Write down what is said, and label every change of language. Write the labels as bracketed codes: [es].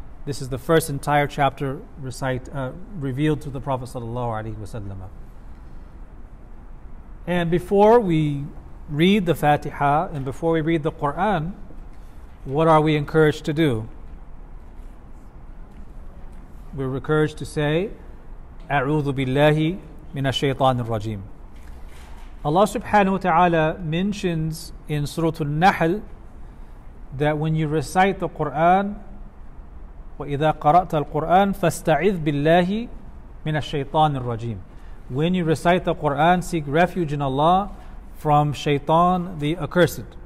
[en] This is the first entire chapter revealed to the Prophet sallallahu alaihi wasallam. And before we read the Fatiha and before we read the Quran, what are we encouraged to do? We're encouraged to say, [ar] أَعُوذُ بِاللَّهِ مِنَ الشَّيْطَانِ الرَّجِيمِ. [en] Allah subhanahu wa ta'ala mentions in Surah Al-Nahl that when you recite the Qur'an, [ar] وَإِذَا قَرَأْتَ الْقُرْآنِ فَاسْتَعِذْ بِاللَّهِ مِنَ الشَّيْطَانِ الرَّجِيمِ. [en] When you recite the Qur'an, seek refuge in Allah from Shaytan the accursed.